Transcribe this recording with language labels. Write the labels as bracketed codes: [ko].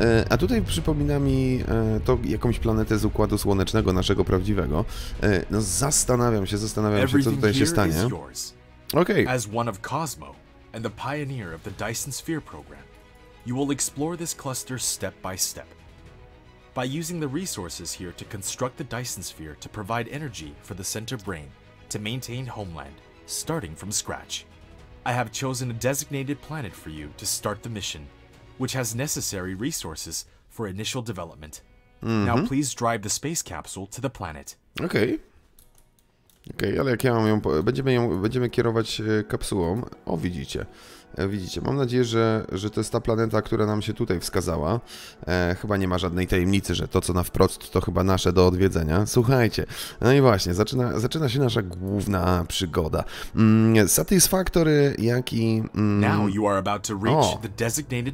[pl] A tutaj przypomina mi to jakąś planetę z Układu Słonecznego, naszego prawdziwego. No zastanawiam się, co tutaj się stanie. Okej. [en] As one of Cosmo and the pioneer of the Dyson Sphere program, you will explore this cluster step by step. By using the resources here to construct the Dyson Sphere to provide energy for the center brain to maintain homeland, starting from scratch. I have chosen a designated planet for you to start the mission, which has necessary resources for initial development. Mm-hmm. Now please drive the space capsule to the planet. [pl] Okej, ale jak ja mam ją... Będziemy kierować kapsułą. O, widzicie. Widzicie, mam nadzieję, że to jest ta planeta, która nam się tutaj wskazała. Chyba nie ma żadnej tajemnicy, że to, co na wprost, to chyba nasze do odwiedzenia. Słuchajcie, no i właśnie, zaczyna się nasza główna przygoda. Satisfactory, jaki... [en] Now you are about to reach the designated planet.